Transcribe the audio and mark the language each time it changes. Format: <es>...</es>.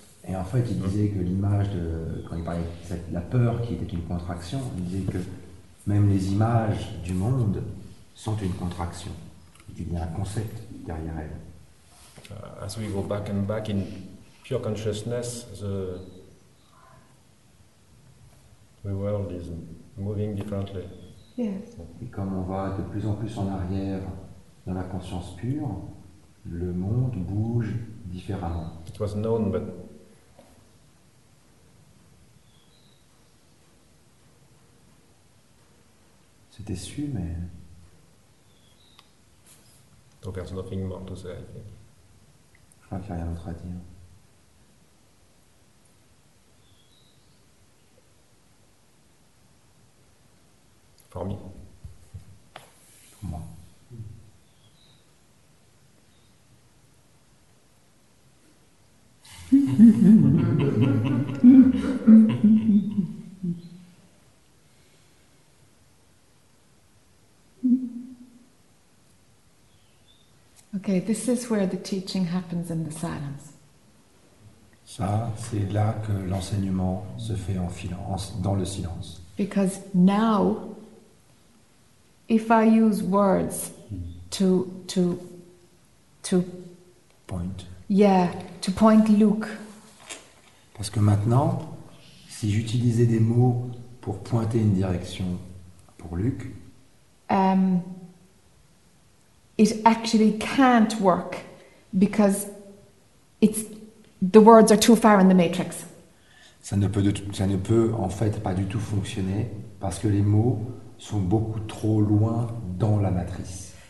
<fr>Et en fait, il disait que l'image, de, quand il parlait de la peur qui était une contraction, il disait que même les images du monde sont une contraction, et qu'il y a un concept derrière elles.</fr> <en>As we go back and back in pure consciousness, the world is moving differently. Yes.</en> <fr>Et comme on va de plus en plus en arrière dans la conscience pure, le monde bouge différemment.</fr> <en>It was known, but</en> <fr>c'était su, mais</fr> <en>donc there's nothing more to say, I think.</en> <fr>Je crois qu'il n'y a rien d'autre à dire.</fr> <en>For me.</en> <fr>Pour moi.</fr> <en>Okay, this is where the teaching happens in the silence.</en> <fr>Ça, c'est là que l'enseignement se fait en silence, dans le silence.</fr> <en>Because now, if I use words to point. Yeah, to point Luke.</en> <fr>Parce que maintenant, si j'utilisais des mots pour pointer une direction pour Luke.</fr> <en>It actually can't work because it's the words are too far in the matrix.</en> <fr>Ça ne peut en fait pas du tout fonctionner parce que les mots sont beaucoup trop loin dans la matrice.</fr>